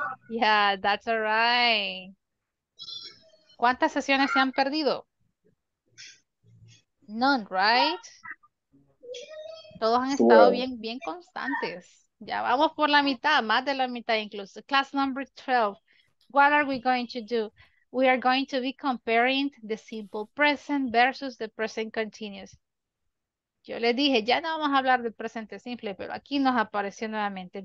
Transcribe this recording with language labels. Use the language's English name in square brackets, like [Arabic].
[English] Yeah, that's all right. [Spanish] ¿Cuántas sesiones se han perdido? [English] None, right? [Spanish] Todos han estado bien, bien constantes. Ya vamos por la mitad, más de la mitad incluso. [English] Class number 12. What are we going to do? We are going to be comparing the simple present versus the present continuous. [Spanish] Yo les dije, ya no vamos a hablar del presente simple, pero aquí nos apareció nuevamente.